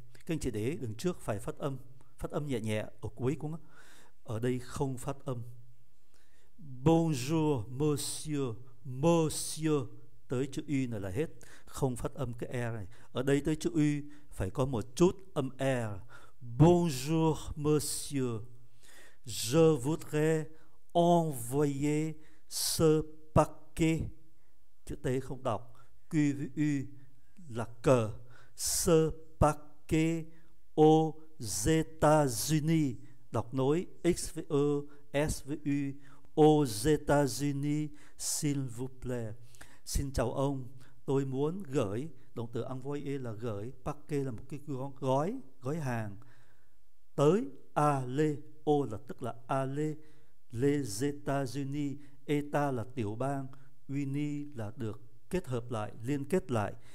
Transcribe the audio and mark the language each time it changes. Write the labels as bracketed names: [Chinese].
[Vietnamese] Các anh chị để ý, đằng trước phải phát âm nhẹ nhẹ ở cuối cũng. Ở đây không phát âm. [French] Bonjour monsieur, monsieur [Vietnamese] tới chữ y này là hết, không phát âm cái e này. Ở đây tới chữ y phải có một chút âm e. [French] Bonjour monsieur. Je voudrais envoyer ce paquet. [Vietnamese] Chữ T không đọc, Q với U là cờ. [French] Ce paquet aux États-Unis. [Vietnamese] Đọc nối X với Ơ, S với U. [French] Aux États-Unis, s'il vous plaît. [Vietnamese] Xin chào ông, tôi muốn gửi, động từ envoyer là gửi, paquet là một cái gói, gói hàng. Tới, aller, O là tức là aller, les États-Unis, État là tiểu bang, uni là được kết hợp lại, liên kết lại.